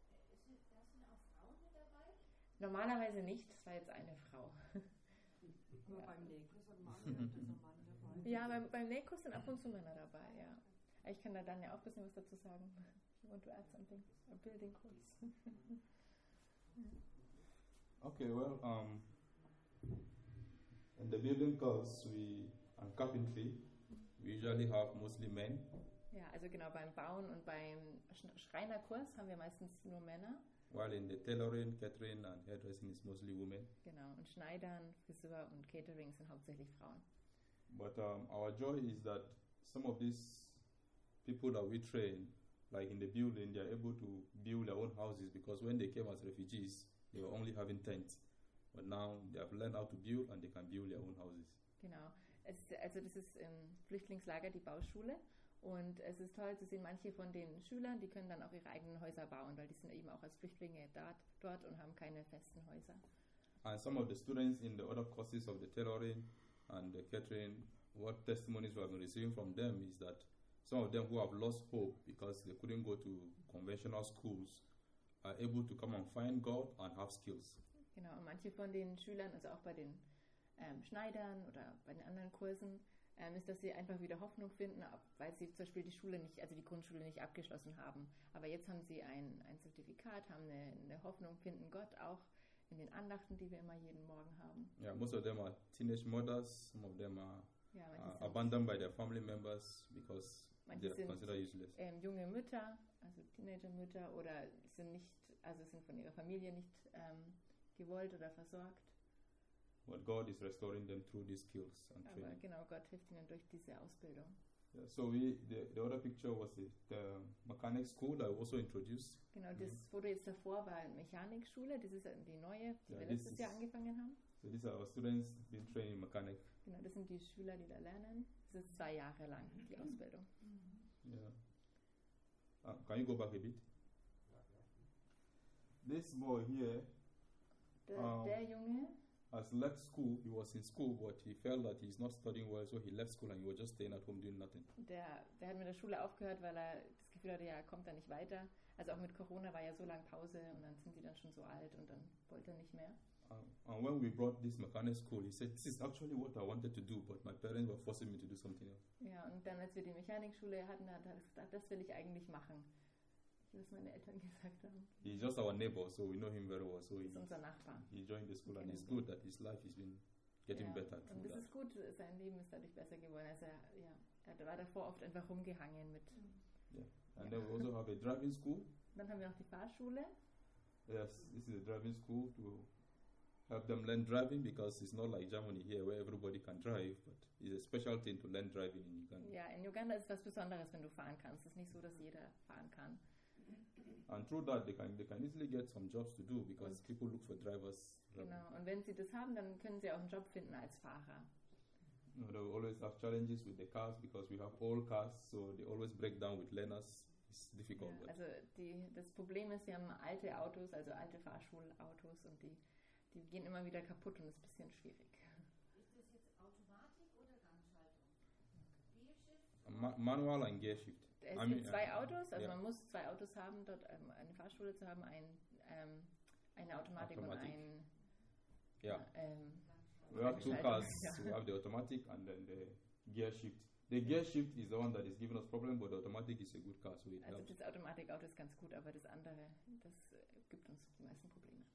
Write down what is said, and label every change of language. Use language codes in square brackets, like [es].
[de] Da sind auch Frauen mit dabei? Normalerweise nicht, das war jetzt eine Frau. Nur ja. Beim Nähkurs hat Mann dabei. Ja, beim Nähkurs sind ab und zu Männer dabei, ja. Ich kann da dann ja auch ein bisschen was dazu sagen. Und du erzählst ein Building-Kurs. [en] Okay, well, in the building course, we are carpentry, Usually half mostly men. [de] Ja, also genau, beim Bauen und beim Schreinerkurs haben wir meistens nur Männer. [en] While in the tailoring, catering and hairdressing is mostly women. [de] Genau, und Schneidern, Friseur und Catering sind hauptsächlich Frauen. [en] But our joy is that some of these people that we train, like in the building, they are able to build their own houses, because when they came as refugees, they were only having tents. But now they have learned how to build and they can build their own houses. [de] Genau. Also das ist im Flüchtlingslager die Bauschule. Und es ist toll zu sehen, manche von den Schülern, die können dann auch ihre eigenen Häuser bauen, weil die sind eben auch als Flüchtlinge dort und haben keine festen Häuser. [en] And some of the students in the other courses of the tailoring and the catering, what testimonies we have been receiving from them is that some of them who have lost hope because they couldn't go to conventional schools are able to come and find God and have skills. [de] Genau, und manche von den Schülern, also auch bei den Schneidern oder bei den anderen Kursen, ist, dass sie einfach wieder Hoffnung finden, weil sie zum Beispiel die Schule nicht, also die Grundschule nicht abgeschlossen haben. Aber jetzt haben sie ein Zertifikat, haben eine Hoffnung, finden Gott auch in den Andachten, die wir immer jeden Morgen haben. [en] Ja, yeah, most of them are teenage mothers, some of them are abandoned by their family members because they're considered useless. [de] Junge Mütter, also Teenager-Mütter, oder sind nicht, also sind von ihrer Familie nicht gewollt oder versorgt. [en] But God is restoring them through these skills and [de] aber [en] training. [de] Genau, Gott hilft ihnen durch diese Ausbildung. [en] Yeah, so the other picture was the mechanic school that I also introduced. [de] Genau, das Foto jetzt davor war eine Mechanikschule. Das ist die neue, die wir letztes Jahr angefangen haben. [en] So these are our students being trained in mechanic. [de] Genau, das sind die Schüler, die da lernen. Das ist 2 Jahre lang, die Ausbildung. [en] Yeah. Can you go back a bit? This boy here, [de] der Junge, [en] has left school. He was in school, but he felt that he's not studying well, so he left school and he was just staying at home doing nothing. [de] Der hat mit der Schule aufgehört, weil er das Gefühl hatte, ja, er kommt da nicht weiter. Also auch mit Corona war ja so lange Pause und dann sind sie dann schon so alt und dann wollte er nicht mehr. [en] And when we brought this mechanic school, he said, this is actually what I wanted to do, but my parents were forcing me to do something else. [de] Ja, und dann als wir die Mechanikschule hatten, hat er gesagt, das will ich eigentlich machen. Was meine Eltern gesagt haben. [en] He's just our neighbor, so we know him very well. So he's [de] unser Nachbar. [en] He joined the school, okay, and it's good that his life has been getting better. [de] Und das ist gut, sein Leben ist dadurch besser geworden. Also er war davor oft einfach rumgehangen mit. [en] Yeah. And then we also have a driving school. [de] Dann haben wir noch die Fahrschule. [en] Yes, this is a driving school to help them learn driving, because it's not like Germany here where everybody can drive, but it's a special thing to learn driving in Uganda. [de] Ja, in Uganda ist es was Besonderes, wenn du fahren kannst. Es ist nicht so, dass jeder fahren kann. [en] And through that they can easily get some jobs to do, because people look for drivers. [de] Genau, und wenn sie das haben, dann können sie auch einen Job finden als Fahrer. [en] No, they always have challenges with the cars, because we have old cars, so they always break down with learners. It's difficult. [de] Ja, also das Problem ist, sie haben alte Autos, also alte Fahrschulautos, und die gehen immer wieder kaputt und ist ein bisschen schwierig. Ist das jetzt Automatik oder Gangschaltung? [en] Gearshift? Manual and Gearshift. [de] Es gibt zwei Autos, also man muss 2 Autos haben, dort eine Fahrschule zu haben, eine Automatik. Und ein [en] We have 2 cars, we have the automatic and then the gear shift. The gear shift is the one that is giving us problem, but the automatic is a good car, so it helps. [de] Also das Automatik-Auto ist ganz gut, aber das andere, das gibt uns die meisten Probleme.